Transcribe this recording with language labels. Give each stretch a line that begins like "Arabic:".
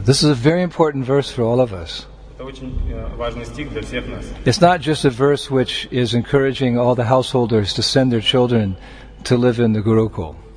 English: This is a very important verse for all of us.
Russian: Это очень важный стих для всех нас.
English: It's not just a verse which is encouraging all the householders to send their children to live in the Guru Kula.